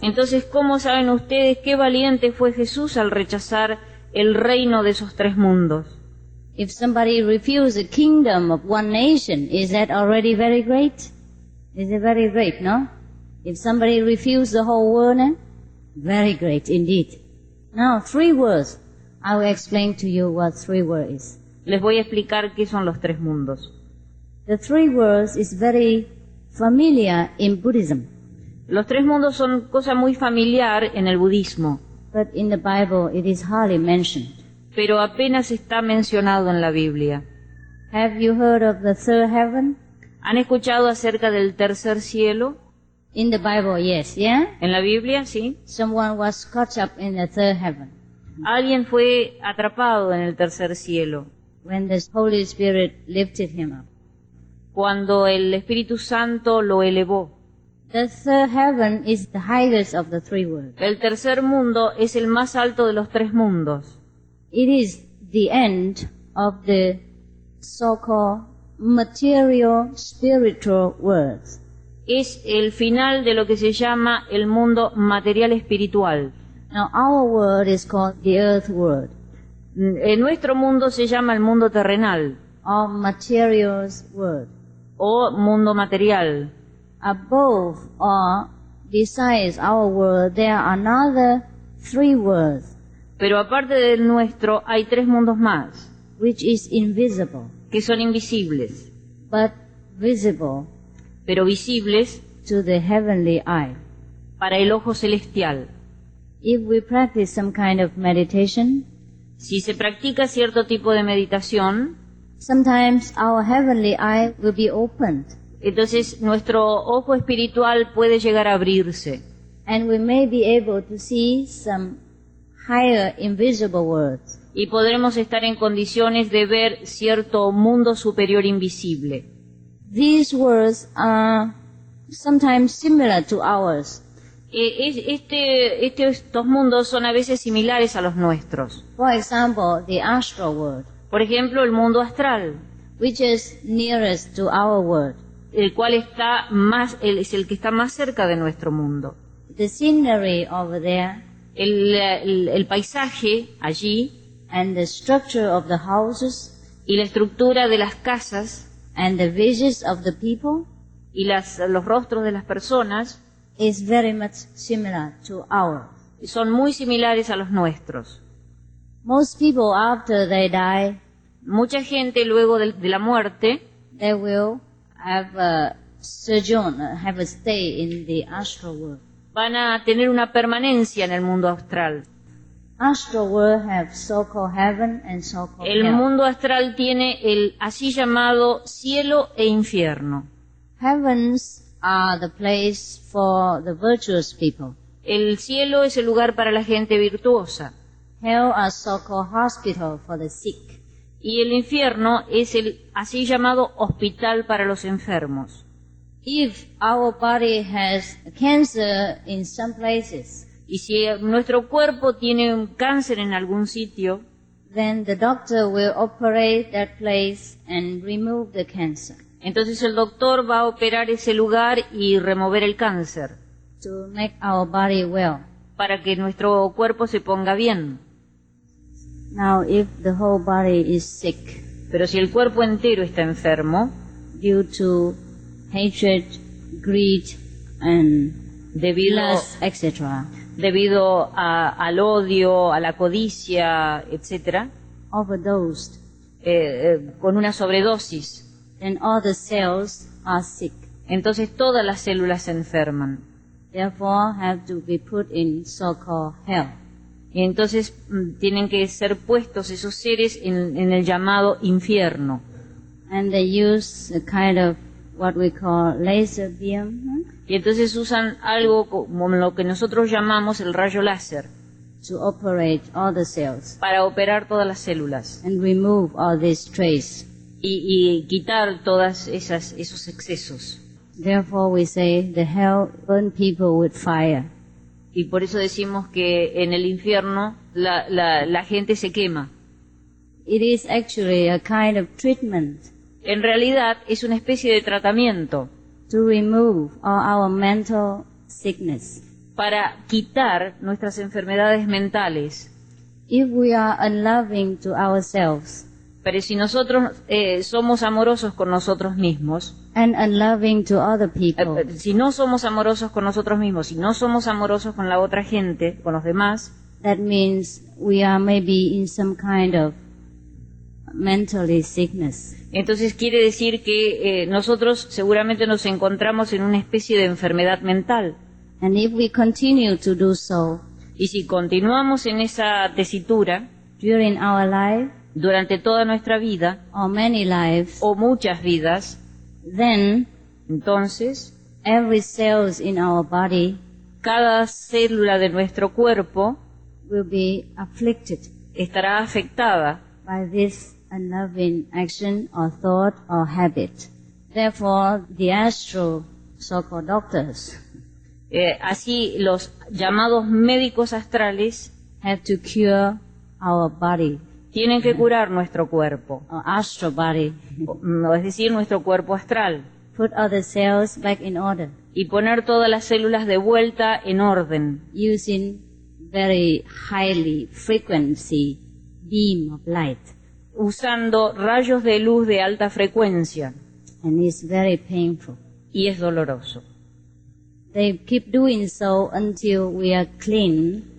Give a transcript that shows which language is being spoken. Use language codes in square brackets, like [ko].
[es] Entonces, ¿cómo saben ustedes qué valiente fue Jesús al rechazar el reino de esos tres mundos? [en] If somebody refuses the kingdom of one nation, is that already very great? Is it very great, no? If somebody refuses the whole world, then? Very great indeed. Now, three worlds. I will explain to you what three worlds is. [es] Les voy a explicar qué son los tres mundos. [en] The three worlds is very familiar in Buddhism. [es] Los tres mundos son cosa muy familiar en el budismo. [en] But in the Bible it is hardly mentioned. [es] Pero apenas está mencionado en la Biblia. [en] Have you heard of the third heaven? [es] ¿Han escuchado acerca del tercer cielo? [en] In the Bible, yes, yeah? [es] En la Biblia, sí. [en] Someone was caught up in the third heaven. [es] Alguien fue atrapado en el tercer cielo. [en] When the Holy Spirit lifted him up. [es] Cuando el Espíritu Santo lo elevó. [en] The third heaven is the highest of the three worlds. [es] El tercer mundo es el más alto de los tres mundos. [en] It is the end of the so-called material spiritual worlds. [es] Es el final de lo que se llama el mundo material espiritual. [en] Now our world is called the earth world. [es] En nuestro mundo se llama el mundo terrenal. [en] Or material world. [es] O mundo material. [en] Above or besides our world, there are another three worlds. [es] Pero aparte del nuestro, hay tres mundos más. [en] Which is invisible. [es] Que son invisibles. [en] But visible. [es] Pero visibles. [en] To the heavenly eye. [es] Para el ojo celestial. [en] If we practice some kind of meditation. [es] Si se practica cierto tipo de meditación. [en] Sometimes our heavenly eye will be opened. [es] Entonces nuestro ojo espiritual puede llegar a abrirse. [en] And we may be able to see some higher invisible worlds. [es] Y podremos estar en condiciones de ver cierto mundo superior invisible. [en] These worlds are sometimes similar to ours. [es] Estos mundos son a veces similares a los nuestros. [en] For example, the astral world. [es] Por ejemplo, el mundo astral. [en] Which is nearest to our world. [es] El cual está más, es el que está más cerca de nuestro mundo. [en] The scenery over there. [es] El paisaje allí. [en] And the structure of the houses. [es] Y la estructura de las casas. [en] And the visages of the people. [es] Y los rostros de las personas. [en] Is very much similar to ours. [es] Son muy similares a los nuestros. [en] Most people after they die, [es] mucha gente luego de la muerte, [en] they will have a sojourn, have a stay in the astral world. [es] Van a tener una permanencia en el mundo astral. [en] Astral world have so-called heaven and so-called hell. [es] El mundo astral tiene el así llamado cielo e infierno. [en] Heavens are the place for the virtuous people. [es] El cielo es el lugar para la gente virtuosa. [en] Hell is so-called hospital for the sick. [es] Y el infierno es el así llamado hospital para los enfermos. [en] If our body has cancer in some places, [es] y si nuestro cuerpo tiene un cáncer en algún sitio, [en] then the doctor will operate that place and remove the cancer. [es] Entonces el doctor va a operar ese lugar y remover el cáncer. [en] To make our body well. [es] Para que nuestro cuerpo se ponga bien. [en] Now, if the whole body is sick, [es] pero si el cuerpo entero está enfermo, [en] due to hatred, greed, and lust, etc., [es] debido al odio, a la codicia, etc., [en] overdosed, [es] con una sobredosis, [en] and all the cells are sick. [es] Entonces todas las células se enferman. [en] Therefore, have to be put in so-called hell. [es] Y entonces tienen que ser puestos esos seres en el llamado infierno. [en] And they use a kind of what we call laser beam. [es] Y entonces usan algo como lo que nosotros llamamos el rayo láser. [en] To operate all the cells. [es] Para operar todas las células. [en] And remove all these traces. [es] Y quitar todas esos excesos. [en] Therefore we say the hell burn people with fire. [es] Y por eso decimos que en el infierno la gente se quema. [en] It is actually a kind of treatment. [es] En realidad es una especie de tratamiento. [en] To remove all our mental sickness. [es] Para quitar nuestras enfermedades mentales. [en] If we are unloving to ourselves. [es] Pero si nosotros somos amorosos con nosotros mismos, [en] and unloving to other people, [es] si no somos amorosos con nosotros mismos, si no somos amorosos con la otra gente, con los demás, [en] that means we are maybe in some kind of mentally sickness. [es] Entonces quiere decir que nosotros seguramente nos encontramos en una especie de enfermedad mental. [en] And if we continue to do so, [es] y si continuamos en esa tesitura, [en] during our life, [es] durante toda nuestra vida, [en] or many lives, [es] o muchas vidas, [en] then, [es] entonces, [en] every cells in our body, [es] cada célula de nuestro cuerpo, [en] will be afflicted, [es] estará afectada, [en] by this unloving action or thought or habit. Therefore, the astral so-called doctors, [es] así los llamados médicos astrales, [en] have to cure our body. [es] Tienen que curar nuestro cuerpo. [en] Astral body. [es] O, es decir, nuestro cuerpo astral. [en] Put all the cells back in order. [es] Y poner todas las células de vuelta en orden. [en] Using very highly frequency beam of light. [es] Usando rayos de luz de alta frecuencia. [en] And it's very painful. [es] Y es doloroso. [en] They keep doing so until we are clean.